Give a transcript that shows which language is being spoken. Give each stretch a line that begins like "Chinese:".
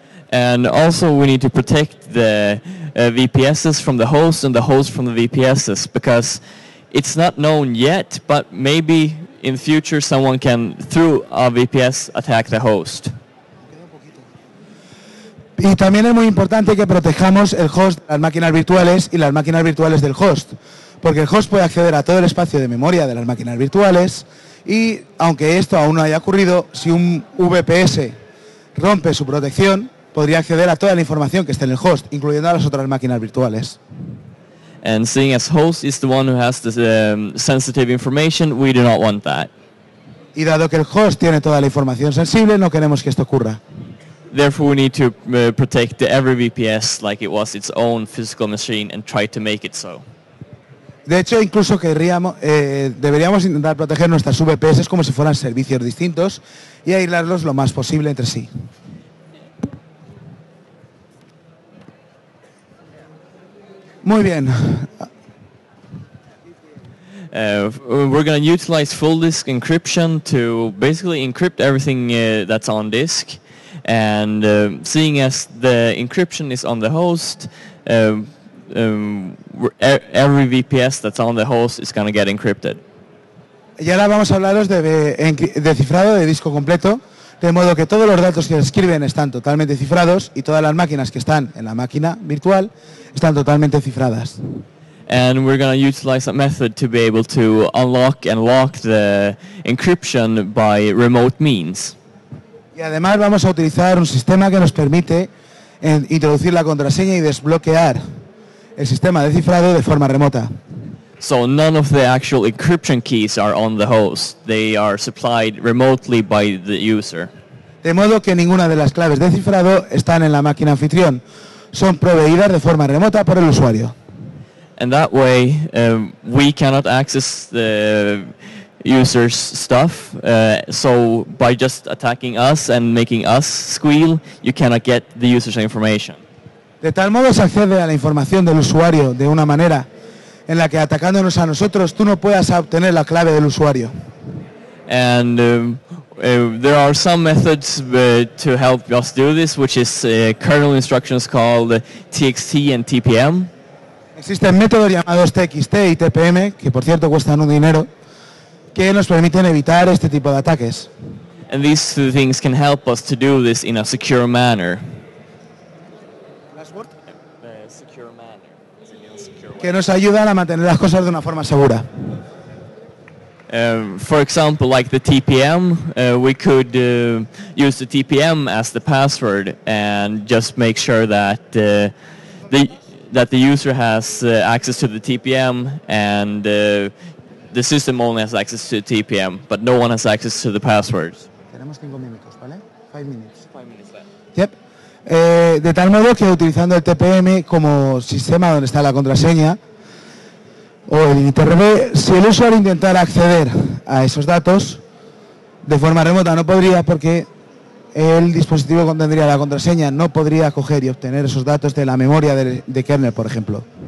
English: And also, we need to protect the VPSs from the host and the host from the VPSs, because it's not known yet, but maybe in the future someone can, through a VPS, attack the host.
Spanish: Y también es muy importante que protejamos el host de las máquinas virtuales y las máquinas virtuales del host, porque el host puede acceder a todo el espacio de memoria de las máquinas virtuales, y aunque esto aún no haya ocurrido, si un VPS rompe su protección, podría acceder a toda la información que esté en el host, incluyendo a las otras máquinas virtuales.
English: And seeing as host is the one who has the sensitive information, we do not want that.
Spanish: Y dado que el host tiene toda la información sensible, no queremos que esto ocurra.
English: Therefore, we need to protect every VPS like it was its own physical machine and try to make it so.
Spanish: De hecho, incluso deberíamos intentar proteger nuestras VPS como si fueran servicios distintos y aislarlos lo más posible entre sí. Muy bien.
English: We're going to utilize full disk encryption to basically encrypt everything that's on disk. And seeing as the encryption is on the host, every VPS that's on the host is going to get encrypted.
Spanish: Y ahora vamos a hablaros de cifrado de disco completo, de modo que todos los datos que escriben están totalmente cifrados y todas las máquinas que están en la máquina virtual están totalmente cifradas.
English: And we're going to utilize a method to be able to unlock and lock the encryption by remote means.
Spanish: Y además vamos a utilizar un sistema que nos permite introducir la contraseña y desbloquear el sistema de cifrado de forma remota.
English: So none of the actual encryption keys are on the host. They are supplied remotely by the user.
Spanish: De modo que ninguna de las claves de cifrado están en la máquina anfitrión. Son proveídas de forma remota por el usuario.
English: And that way, we cannot access the user's stuff. So by just attacking us and making us squeal, you cannot get the user's information.
Spanish: De tal modo se accede a la información del usuario de una manera en la que atacándonos a nosotros, tú no puedas obtener la clave del usuario.
English: And there are some methods to help us do this, which is kernel instructions called TXT and TPM.
Spanish: Existen métodos llamados TXT y TPM, que por cierto cuestan un dinero, que nos permiten evitar este tipo de ataques.
English: And these two things can help us to do this in a secure manner. Last word? Secure manner.
Spanish: Que nos ayudan a mantener las cosas de una forma segura.
English: For example, like the TPM, we could use the TPM as the password and just make sure that the user has access to the TPM and the system only has access to the TPM, but no one has access to the passwords.
Spanish: Tenemos 5 minutos, ¿vale?
English: 5 minutes. 5 minutes left. Yep.
Spanish: De tal modo que utilizando el TPM como sistema donde está la contraseña, o el ITRB, si el usuario intentara acceder a esos datos de forma remota, no podría, porque el dispositivo contendría la contraseña, no podría coger y obtener esos datos de la memoria de kernel, por ejemplo.